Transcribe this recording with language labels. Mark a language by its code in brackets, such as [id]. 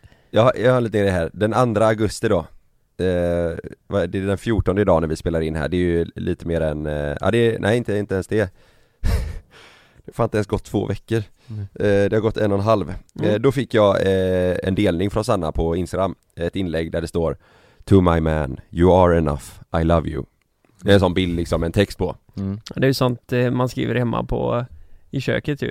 [sv] Ja, jag har lite det här. Den 2 augusti då. Det är den 14:e idag när vi spelar in här. Det är ju lite mer än... inte ens det. Det har inte ens gått 2 veckor. Det har gått 1,5. Mm. Då fick jag en delning från Sanna på Instagram. Ett inlägg där det står... [en] To my man, you are enough, I love you. [sv] Det är en sån bild liksom, en text på. Mm. Det är ju sånt man skriver hemma på i köket ju.